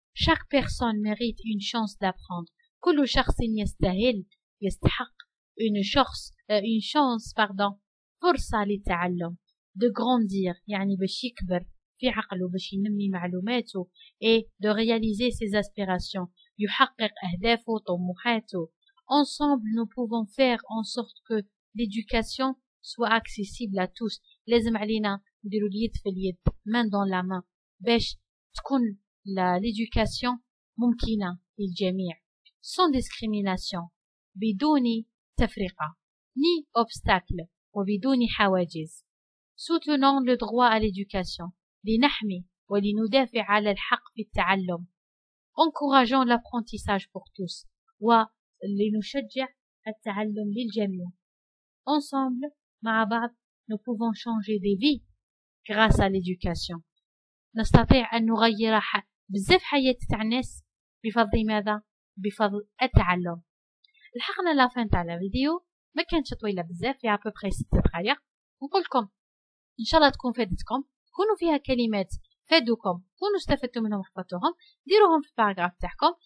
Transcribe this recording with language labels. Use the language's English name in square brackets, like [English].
[Arabic] شاك بيرسون ميريت اون شانس دابخوند، كل شخص يستاهل يستحق اون شانس فرصة للتعلم، دو غرونديغ يعني باش يكبر في عقله، باش ينمي معلوماته، اي دو رياليزي سي اسبيراسيون، يحقق اهدافه وطموحاته. [French] Ensemble, nous pouvons faire en sorte que l'éducation soit accessible à tous. [Arabic] لازم علينا نديرو اليد في اليد، [French] main dans la main، [Arabic] باش تكون l'éducation ممكنة للجميع. [French] Sans discrimination، [Arabic] بدون تفرقة، [French] ni obstacle، [Arabic] وبدون حواجز. [French] Soutenons le droit à l'éducation، [Arabic] لنحمي ولندافع على الحق في التعلم. [French] Encourageons l'apprentissage pour tous، [Arabic] و اللي نشجع التعلم للجميع. [French] Ensemble [Arabic] مع بعض، [French] nous pouvons changer des vies grâce à l'éducation. [Arabic] نستطيع أن نغير بزاف حياه تاع الناس بفضل ماذا؟ بفضل التعلم. لحقنا لافان تاع الفيديو، ما كانتش طويله بزاف، يا ابوبري 6 دقائق. نقول لكم ان شاء الله تكون فادتكم، كونوا فيها كلمات فادوكم كونوا استفدتوا منهم وحفظتوهم، ديروهم في الباراغراف تاعكم.